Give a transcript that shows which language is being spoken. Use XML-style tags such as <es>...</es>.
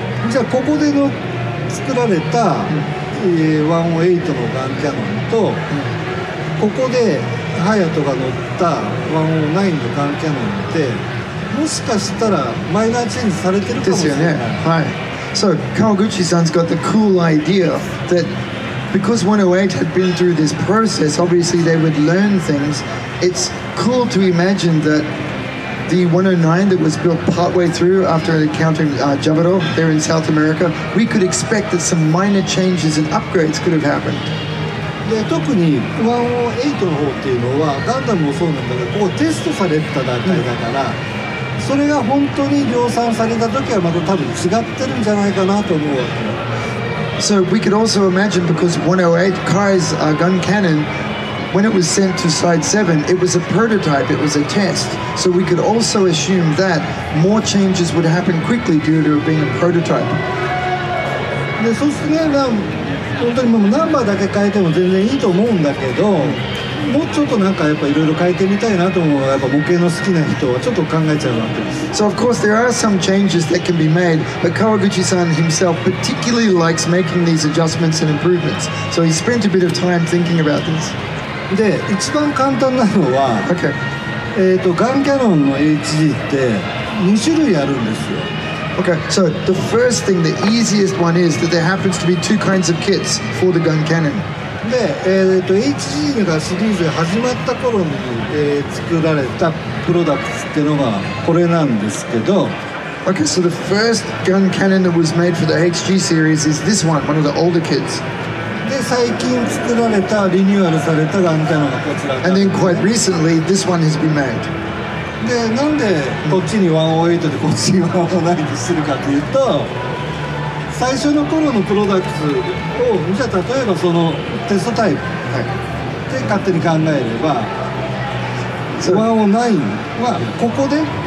<ja>じゃあここでの作られた、108のガンキャノンと、ここでハヤトが乗った109のガンキャノンって、もしかしたらマイナーチェンジされてるかもしれない。ですよね。はい。</ja> <en>So Kawaguchi-san's got the cool idea that because 108 had been through this process, obviously they would learn things. It's cool to imagine that the 109 that was built partway through after encountering Jabiro there in South America, we could expect that some minor changes and upgrades could have happened.</en> <ja>で、特に108の方っていうのはガンダムもそうなんだけど、ここテストされた段階だから、それが本当に量産された時はまた多分違ってるんじゃないかなと思うわけ。</ja> <en>So we could also imagine because 108 Kai's gun cannon,when it was sent to Side 7, it was a prototype, it was a test. So we could also assume that more changes would happen quickly due to it being a prototype.</en> <ja>で、そうすれば、本当にもうナンバーだけ変えても全然いいと思うんだけど、もうちょっとなんかやっぱいろいろ変えてみたいなと思う、やっぱ模型の好きな人はちょっと考えちゃうわけです。</ja> <en>So of course there are some changes that can be made, but Kawaguchi-san himself particularly likes making these adjustments and improvements. So he spent a bit of time thinking about this.</en> <ja>で、一番簡単なのは、</ja> <en>okay.</en> <ja>ガンキャノンの HG って2種類あるんですよ。</ja> <en>Okay, so the first thing, the easiest one is that there happens to be two kinds of kits for the gun cannon.</en> <ja>で、HG がシリーズ始まった頃に、作られたプロダクツっていうのがこれなんですけど。</ja> <en>Okay, so the first gun cannon that was made for the HG series is this one, one of the older kids.</en> <ja>で、最近作られた、リニューアルされたガンキャノンがこちら。</ja> <en>And then quite recently, this one has been made.</en> <ja>で、なんでこっちに108でこっちに109にするかというと、最初の頃のプロダクツを、じゃあ例えばそのテストタイプで勝手に考えれば、109はここで、</ja>